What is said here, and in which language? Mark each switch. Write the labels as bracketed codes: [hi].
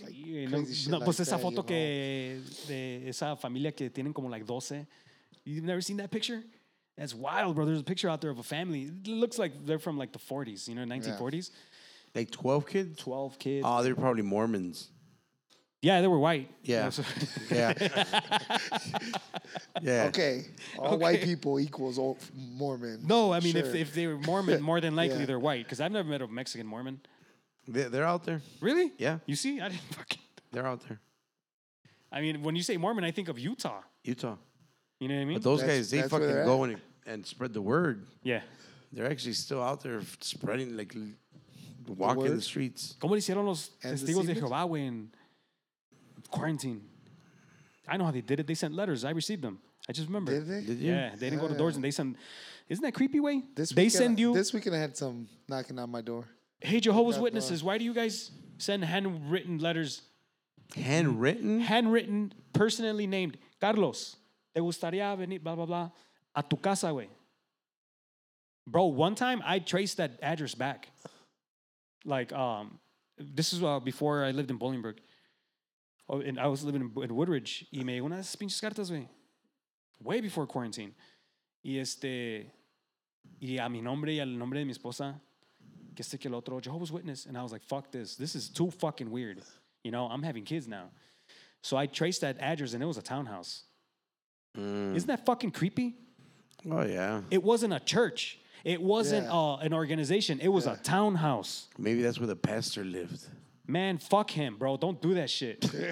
[es] Esa foto que de esa familia que tienen como [en] like [es] 12. [en] You've never seen that picture? That's wild, bro. There's a picture out there of a family. It looks like they're from like the 40s, you know, 1940s. Yeah. Like 12 kids? 12 kids. Oh, they're probably Mormons. Yeah, they were white. Yeah. Yeah. Yeah. Okay. All white people equals all Mormon. No, I mean, sure. if they were Mormon, more than likely they're white. Because I've never met a Mexican Mormon. They're out there. Really? Yeah. You see? I didn't fucking... They're out there. I mean, when you say Mormon, I think of Utah. Utah. You know what I mean? But those guys, they fucking go in and spread the word. Yeah. They're actually still out there spreading, like, walking the streets. [es] ¿Cómo hicieron los testigos de Jehová en quarantine? [en] I know how they did it. They sent letters. I received them. I just remember. Did they? Did you? Yeah. They didn't go to doors and they sent. Isn't that creepy, way? This weekend I had some knocking on my door. Hey, Jehovah's Witnesses, why do you guys send handwritten letters? Handwritten? Handwritten, personally named. [es] Carlos. Te gustaría venir, blah, blah, blah, a tu casa, güey. [en] Bro, one time I traced that address back. Like, this is before I lived in Bolingbrook. Oh, and I was living in Woodridge. [es] Y me llegó una de esas pinches cartas, güey. [en] Way before quarantine. [es] Y y a mi nombre y al nombre de mi esposa, que este que el otro, Jehovah's Witness. [en] And I was like, fuck this. This is too fucking weird. You know, I'm having kids now. So I traced that address, and it was a townhouse. Mm. Isn't that fucking creepy? Oh, yeah. It wasn't a church. It wasn't an organization. It was a townhouse. Maybe that's where the pastor lived. Man, fuck him, bro. Don't do that shit.